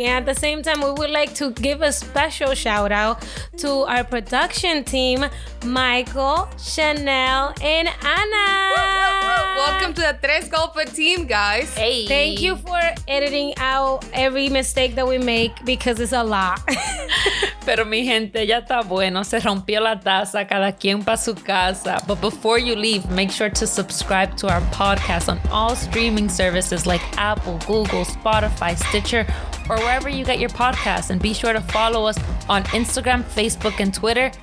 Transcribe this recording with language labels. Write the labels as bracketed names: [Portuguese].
[English] And at the same time, we would like to give a special shout out to our production team, Michael, Chanel, and Anna. Welcome to the Tres Golpes team, guys. Hey. Thank you for editing out every mistake that we make, because it's a lot. [Spanish] Pero mi gente, ya está bueno. Se rompió la taza, cada quien pa su casa. [English] But before you leave, make sure to subscribe to our podcast on all streaming services like Apple, Google, Spotify, Stitcher, or wherever you get your podcasts. And be sure to follow us on Instagram, Facebook, and Twitter